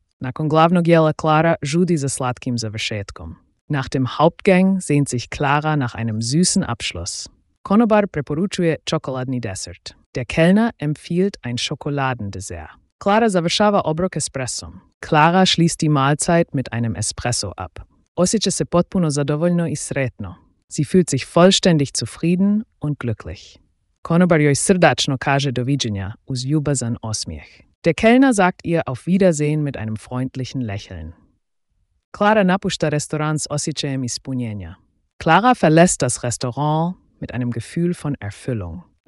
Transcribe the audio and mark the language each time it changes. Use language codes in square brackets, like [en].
[hr] Nakon glavnog jela Clara žudi za slatkim završetkom. [de] Nach dem Hauptgang sehnt sich Clara nach einem süßen Abschluss. [hr] Konobar preporučuje čokoladni desert. [de] Der Kellner empfiehlt ein Schokoladendessert. [hr] Clara završava obrok espressom. [de] Clara schließt die Mahlzeit mit einem Espresso ab. [hr] Osjeća se potpuno zadovoljno i sretno. [de] Sie fühlt sich vollständig zufrieden und glücklich. [hr] Konobar joj srdačno kaže doviđenja uz ljubazan osmijeh. [de] Der Kellner sagt ihr auf Wiedersehen mit einem freundlichen Lächeln. [hr] Clara napušta restorans osjećajem ispunjenja. [de] Clara verlässt das Restaurant mit einem Gefühl von Erfüllung.